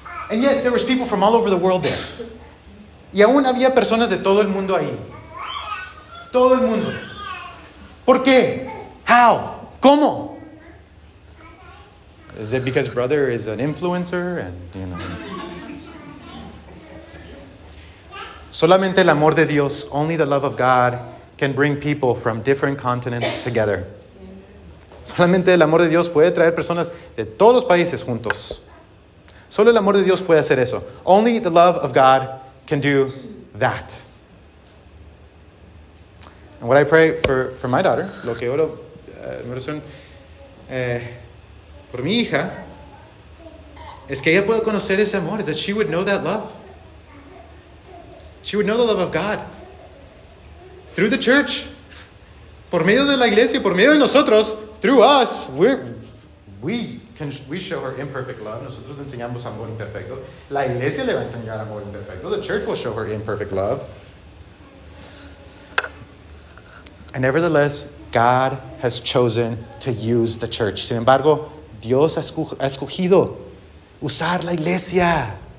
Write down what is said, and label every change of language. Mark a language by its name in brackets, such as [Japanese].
[English] And yet there was people from all over the world there. [Spanish] Y aún había personas de todo el mundo ahí. Todo el mundo. ¿Por qué? How? ¿Cómo? [English] Is it because brother is an influencer and you know? [Spanish] Solamente el amor de Dios, [English] only the love of God, [Spanish] can bring people from different continents together. Solamente el amor de Dios puede traer personas de todos los países juntos. Solo el amor de Dios puede hacer eso. [English] Only the love of God can do that. And what I pray for my daughter, [Spanish] lo que oro por mi hija, es que ella pueda conocer ese amor, [English] that she would know that love. She would know the love of God. Through the church. [Spanish] Por medio de la iglesia, por medio de nosotros, [English] through us, we show her imperfect love. [Spanish] Nosotros enseñamos amor imperfecto. La iglesia le va a enseñar amor imperfecto. [English] The church will show her imperfect love. And nevertheless, God has chosen to use the church. [Spanish] Sin embargo, Dios ha escogido usar la iglesia.